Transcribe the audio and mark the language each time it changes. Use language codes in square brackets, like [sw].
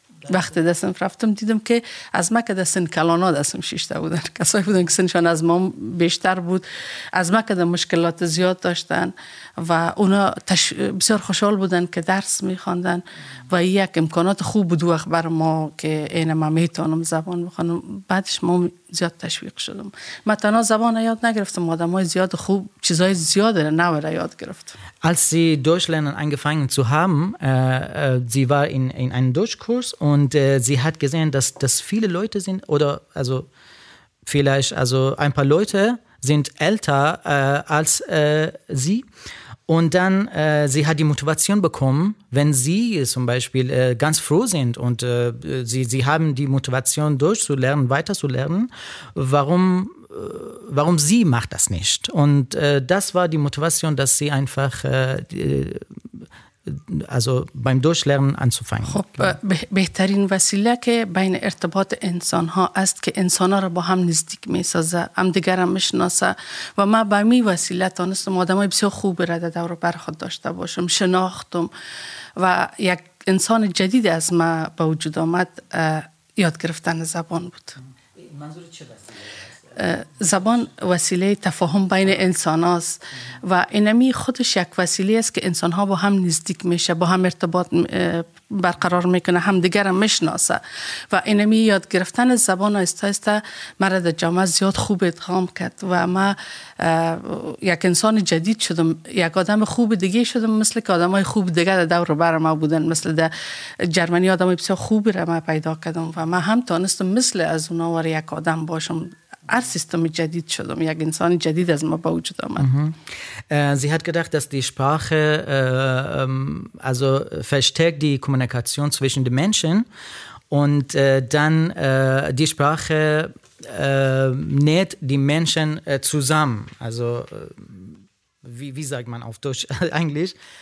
[fa] وقتی دستم رفتم دیدم که از ما که دستم کلانا دستم شیشته بودن کسایی بودن که سنشان از ما بیشتر بود از ما که در مشکلات زیاد داشتن و اونا بسیار خوشحال بودن که درس میخواندن و یک امکانات خوب بود وقت بر ما که اینه من میتونم زبان بخونم بعدش ما زیاد تشویق شدم من تنها زبان یاد نگرفتم آدم های زیاد خوب چیزهای زیاد نوره یاد گرفتم [de] Als sie Deutschlernen angefangen zu haben, sie war in einem Deutschkurs und sie hat gesehen, dass viele Leute sind oder also vielleicht, also ein paar Leute sind älter als sie. Und dann, sie hat die Motivation bekommen, wenn sie zum Beispiel ganz froh sind und sie haben die Motivation durchzulernen, weiterzulernen, warum sie macht das nicht. Und das war die Motivation, dass sie einfach, also beim Durchlernen anzufangen. [fa] خب بهترین وسیله که بین ارتباط انسان ها است که انسان ها را با هم نزدیک می سازه هم دیگر هم میشناسه و ما به می وسیله تانستم آدم های بسیار خوب را در دور برخود داشته باشم شناختم و یک انسان جدید از ما به وجود آمد یاد گرفتن زبان بود منظور چه وسیله؟ زبان وسیله تفاهم بین انسان هاست و اینمی خودش یک وسیله است که انسان ها با هم نزدیک میشه با هم ارتباط برقرار میکنه هم دیگر هم میشناسه و اینمی یاد گرفتن زبان آهسته آهسته مرا در جامعه زیاد خوب ادغام کرد و ما یک انسان جدید شدم یک آدم خوب دیگه شدم مثل که آدم های خوب دیگه در دور بر ما بودن مثل در جرمنی آدم های بسیار خوبی را ما پیدا کردم و ما هم تانستم مثل از اونا وار یک آدم باشم ار سیستم جدید شدم یک انسان جدید از ما با وجود آمد [de] Sie hat gedacht, dass die Sprache also verstärkt die Kommunikation zwischen den Menschen und dann die Sprache näht die Menschen zusammen. Also wie sagt man auf Deutsch eigentlich?